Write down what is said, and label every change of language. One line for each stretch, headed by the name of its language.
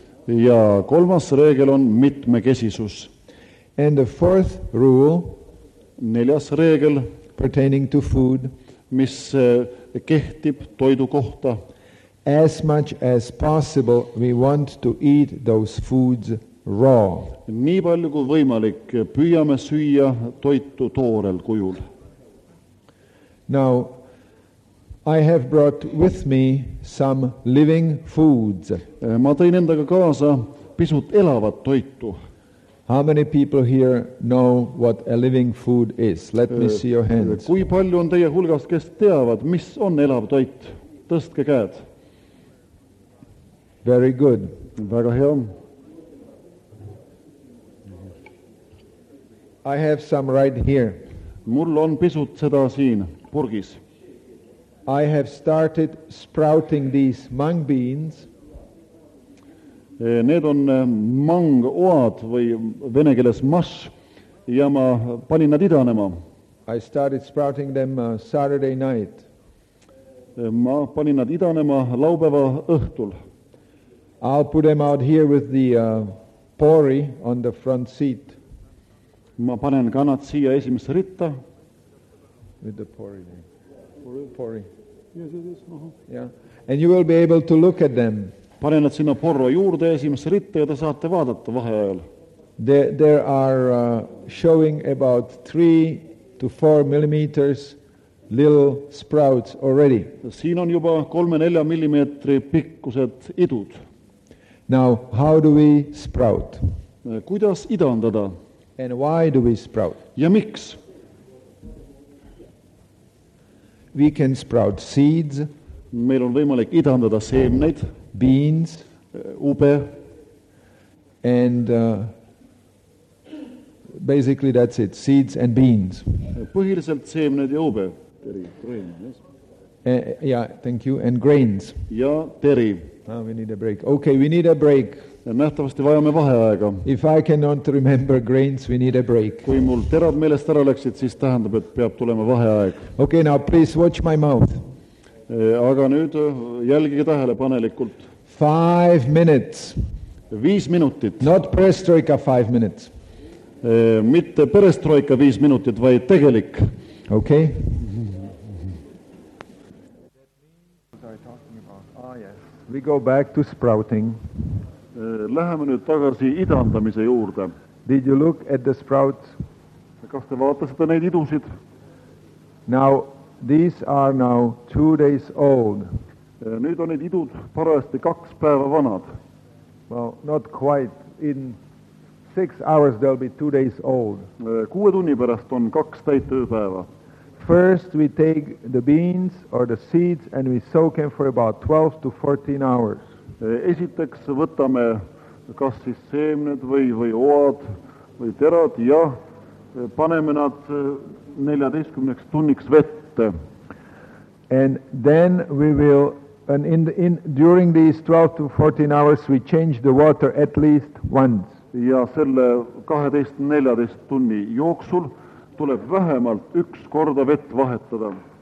Estonian: Ja kolmas reegel on mitmekesisus.
English: And the fourth rule,
Estonian: neljas reegel,
English: pertaining to food,
Estonian: mis kehtib toidu kohta,
English: as much as possible, we want to eat those foods raw.
Estonian: Nii palju kui võimalik, püüame süüa toitu toorel kujul.
English: Now, I have brought with me some living foods.
Estonian: Ma tõin endaga kaasa pisut elavat toitu.
English: How many people here know what a living food is? Let me see your hands.
Estonian: Kui palju on teie hulgast, kes teavad, mis on elav toit? Tõstke käed.
English: Very good.
Estonian: Väga hea.
English: I have some right here.
Estonian: Mul on pisut seda siin purgis.
English: I have started sprouting these mung beans.
Estonian: Need on mang oad või vene keeles mas ja ma panin nad idanema.
English: I started sprouting them Saturday night.
Estonian: Ma panin nad idanema laupäeva õhtul.
English: I'll put them out here with the pori on the front seat.
Estonian: Ma panen kanad siia esimese ritta.
English: With the pori. Pori. Yes. Yeah. And you will be able to look at them.
Estonian: Panen nad sinna porra juurde esimese ritta ja te saate vaadata vaheajal.
English: There are showing about 3 to 4 millimeters little sprouts already.
Estonian: Siin on juba 3-4 millimeetri pikkused idud.
English: Now, how do we sprout?
Estonian: Kuidas idandada?
English: And why do we sprout?
Estonian: Ja miks?
English: We can sprout seeds.
Estonian: Meil on võimalik idandada seemneid.
English: Beans.
Estonian: Ube.
English: And basically that's it, seeds and beans.
Estonian: Põhiliselt seemneid ja ube. Teri,
English: grain, yes? Yeah, thank you. And grains.
Estonian: Ja teri.
English: Now we need a break. Okay, we need a break.
Estonian: Ja nähtavasti vajame vaheaega.
English: If I cannot remember grains, we need a break.
Estonian: Kui mul terad meelest ära läksid, siis tähendab, et peab tulema vaheaeg.
English: Okay, now please watch my mouth.
Estonian: Aga nüüd jälgige tähele panelikult.
English: 5 minutes.
Estonian: 5 minutit.
English: Not perestroika 5 minutes.
Estonian: Mitte perestroika 5 minutit, vaid tegelik.
English: Okay. We go back to sprouting.
Estonian: Läheme nüüd tagasi idandamise juurde.
English: Did you look at the sprouts?
Estonian: Kas te vaatasite neid idusid?
English: Now, these are now 2 days old.
Estonian: Nüüd on need idud parajasti 2 päeva vanad.
English: Well, not quite. In 6 hours they'll be 2 days old.
Estonian: 6 tunni pärast on 2 täitööpäeva.
English: First we take the beans or the seeds and we soak them for about 12 to 14 hours.
Estonian: Esiteks võtame kas siis seemned või oad või terad ja paneme nad 14 tunniks vette.
English: And then we will and in during these 12 to 14 hours we change the water at least once.
Estonian: Ja selle 12-14 tunni jooksul tuleb vähemalt 1 korda vett vahetada.